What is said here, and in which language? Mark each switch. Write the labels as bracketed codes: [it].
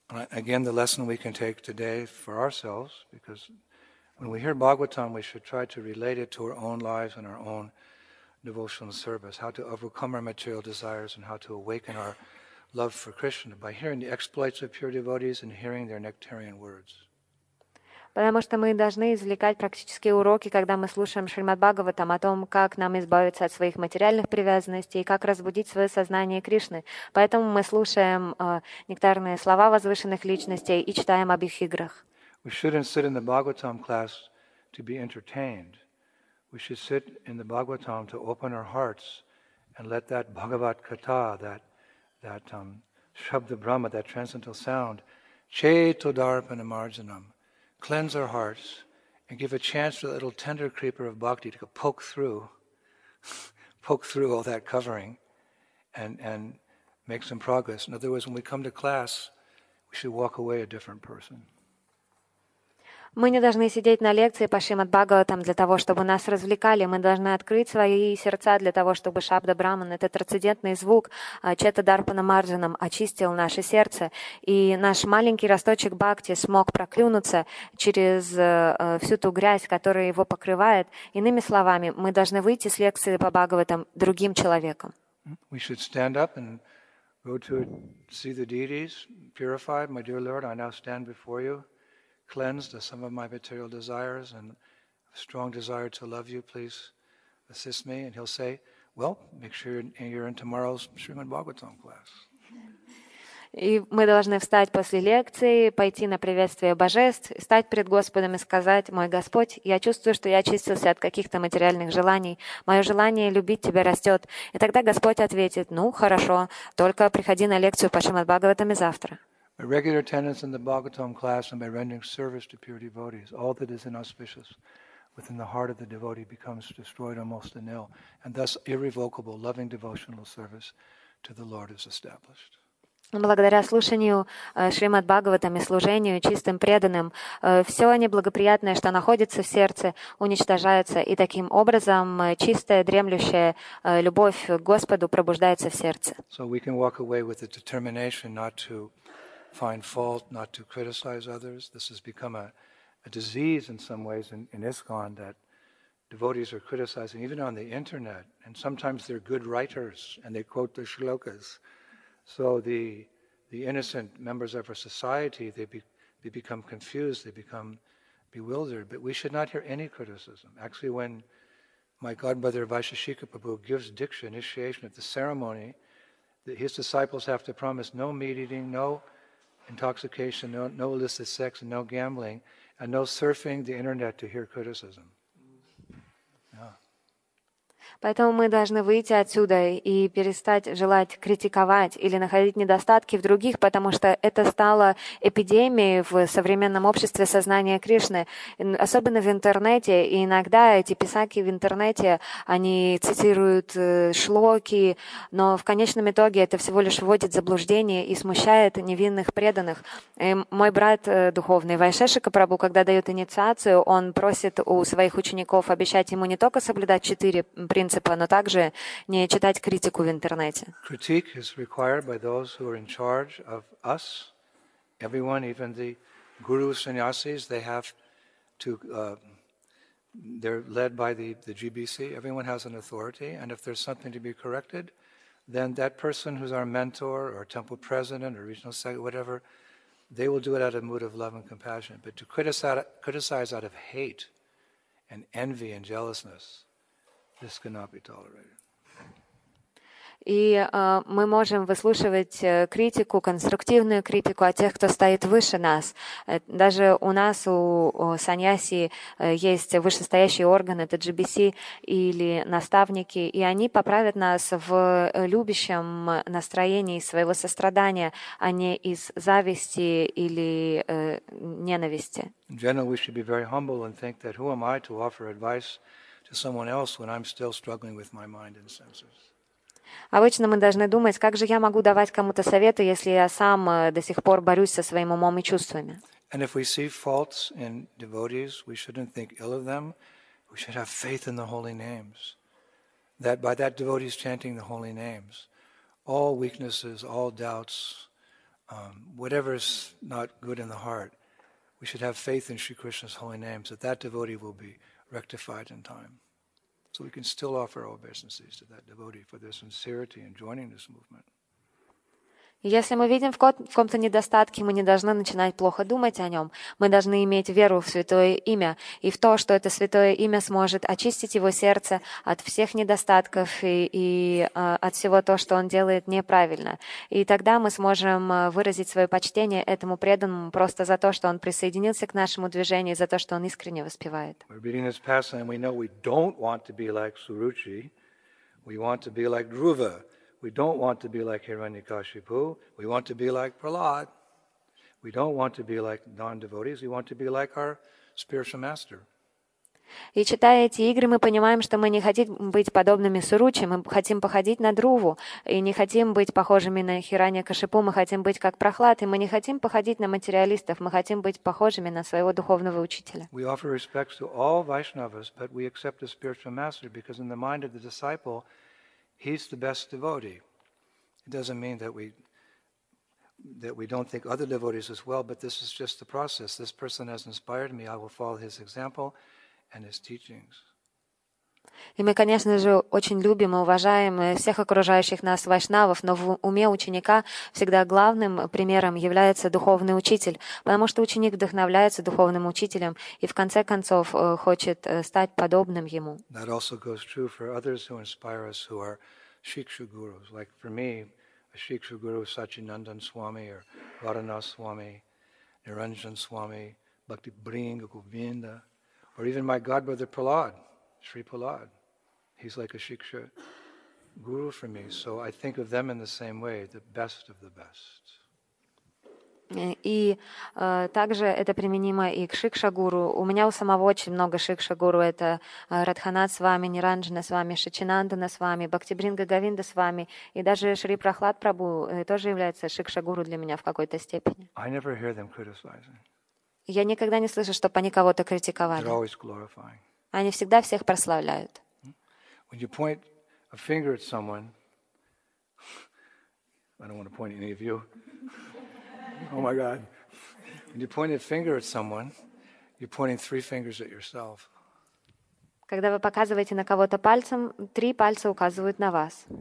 [en] Again, the lesson we can take today for ourselves, because when we hear Bhagavatam, we should try to relate it to our own lives and our own devotional service, how to overcome our material desires and how to awaken our love for Krishna by hearing the exploits of pure devotees and hearing their nectarian words. [ru] Потому что мы должны извлекать практические уроки, когда мы слушаем Шримад Бхагаватам о том, как нам избавиться от своих материальных привязанностей и как разбудить свое сознание Кришны. Поэтому мы слушаем нектарные слова возвышенных личностей и читаем об их играх. [en] We shouldn't sit in the Bhagavatam class to be entertained. We should sit in the Bhagavatam to open our hearts and let that Bhagavat Katha, that Shabda Brahma, that transcendental sound, Chetodarpana Marjanam, cleanse our hearts and give a chance for the little tender creeper of bhakti to poke through all that covering and make some progress. In other words, when we come to class, we should walk away a different person. [ru] Мы не должны сидеть на лекции по Шримад Бхагаватам для того, чтобы нас развлекали. Мы должны открыть свои сердца для того, чтобы Шабда Брахман, этот трансцендентный звук Чета Дарпана Марджанам, очистил наше сердце. И наш маленький росточек бхакти смог проклюнуться через всю ту грязь, которая его покрывает. Иными словами, мы должны выйти с лекции по Бхагаватам другим человеком. [en] We should stand up and go to see the deities purified. My dear Lord, I now stand before you. Cleansed of some of my material desires and strong desire to love you, please assist me. And he'll say, well, make sure you're in tomorrow's Srimad Bhagavatam class. [ru] И мы должны встать после лекции, пойти на приветствие божеств, стать перед Господом и сказать, мой Господь, я чувствую, что я очистился от каких-то материальных желаний. Мое желание любить тебя растет. И тогда Господь ответит, ну, хорошо, только приходи на лекцию по Шримад Бхагаватам и завтра. [en] By regular attendance in the Bhagavatam class and by rendering service to pure devotees, all that is inauspicious within the heart of the devotee becomes destroyed almost nil, and thus irrevocable loving devotional service to the Lord is established. [ru] Благодаря слушанию Шримад Бхагаватам и служению чистым преданным, все неблагоприятное, что находится в сердце, уничтожается, и таким образом чистая, дремлющая любовь к Господу пробуждается в сердце. [en] So we can walk away with the determination not to find fault, not to criticize others. This has become a disease in some ways in ISKCON that devotees are criticizing, even on the internet, and sometimes they're good writers and they quote the shlokas. So the innocent members of our society, they become confused, they become bewildered, but we should not hear any criticism. Actually, when my godmother Vaisheshika Prabhu gives diksha, initiation at the ceremony, his disciples have to promise no meat eating, no intoxication, no illicit sex, no gambling, and no surfing the internet to hear criticism. [ru] Поэтому мы должны выйти отсюда и перестать желать критиковать или находить недостатки в других, потому что это стало эпидемией в современном обществе сознания Кришны, особенно в интернете. И иногда эти писаки в интернете, они цитируют шлоки, но в конечном итоге это всего лишь вводит в заблуждение и смущает невинных преданных. И мой брат духовный Вайшешика Прабу, когда дает инициацию, он просит у своих учеников обещать ему не только соблюдать 4 принципа, но также не читать критику в интернете. [en] Critique is required by those who are in charge of us. Everyone, even the guru sannyasis, they have to, they're led by the GBC. Everyone has an authority, and if there's something to be corrected, then that person who's our mentor or temple president or regional secretary, whatever, they will do it out of a mood of love and compassion. But to criticize out of hate and envy and jealousness, this cannot be tolerated. [ru] И мы можем выслушивать критику, конструктивную критику от тех, кто стоит выше нас. Даже у нас, у саньяси, есть вышестоящие органы, это GBC или наставники, и они поправят нас в любящем настроении своего сострадания, а не из зависти или ненависти. [en] In general, we should be very humble and think that who am I to offer advice to someone else when I'm still struggling with my mind and senses. [ru] Обычно мы должны думать, как же я могу давать кому-то советы, если я сам до сих пор борюсь со своим умом и чувствами. [en] And if we see faults in devotees, we shouldn't think ill of them. We should have faith in the holy names. That by that devotee's chanting the holy names, all weaknesses, all doubts, whatever is not good in the heart, we should have faith in Sri Krishna's holy names, that devotee will be rectified in time. So we can still offer our obeisances to that devotee for their sincerity in joining this movement. [ru] Если мы видим в ком-то недостатки, мы не должны начинать плохо думать о нем. Мы должны иметь веру в Святое Имя и в то, что это Святое Имя сможет очистить его сердце от всех недостатков и от всего того, что он делает неправильно. И тогда мы сможем выразить свое почтение этому преданному просто за то, что он присоединился к нашему движению, за то, что он искренне воспевает. Мы читаем этот пассаж, и мы знаем, что мы не хотим быть как Суручи. Мы хотим быть как Друва. [en] We don't want to be like Hiranyakashipu. We want to be like Prahlad. We don't want to be like non-devotees. We want to be like our spiritual master. [ru] И читая эти игры, мы понимаем, что мы не хотим быть подобными Суручи, мы хотим походить на Друву, и не хотим быть похожими на Хираньякашипу, мы хотим быть как Прохлад, и мы не хотим походить на материалистов, мы хотим быть похожими на своего духовного учителя. [en] We offer respects to all Vaishnavas, but we accept the spiritual master because in the mind of the disciple, He's the best devotee. It doesn't mean that we don't think other devotees as well, but this is just the process. This person has inspired me. I will follow his example and his teachings. [ru] И мы, конечно же, очень любим и уважаем всех окружающих нас вайшнавов, но в уме ученика всегда главным примером является духовный учитель, потому что ученик вдохновляется духовным учителем и в конце концов хочет стать подобным ему. [en] That also goes true for others who inspire us, who are shikshu gurus. Like for me, a shikshu guru is Sachinandan Swami or Varanas Swami, Niranjan Swami, Bhakti Bringa Govinda, or even my godbrother Prahlad. Shri Prahlad, he's like a Shiksha guru for me, so I think of them in the same way, the best of the best. [ru] И также это применимо и к шикша-гуру. У меня у самого очень много шикша-гуру. Это Радханат с вами, Ниранджана с вами, Шачинандана с вами, Бхактибринга Говинда с вами. И даже Шри Прохлад Прабу тоже является шикша-гуру для меня в какой-то степени. [en] I never hear them criticizing. [ru] Я никогда не слышу, чтобы они кого-то критиковали. [en] They're always glorifying. [ru] Они всегда всех прославляют. [en] When you point a finger at someone, I don't want to point at any of you. Oh my God. When you point a finger at someone, you're pointing three fingers at yourself. [ru] Когда вы показываете на кого-то пальцем, три пальца указывают на вас.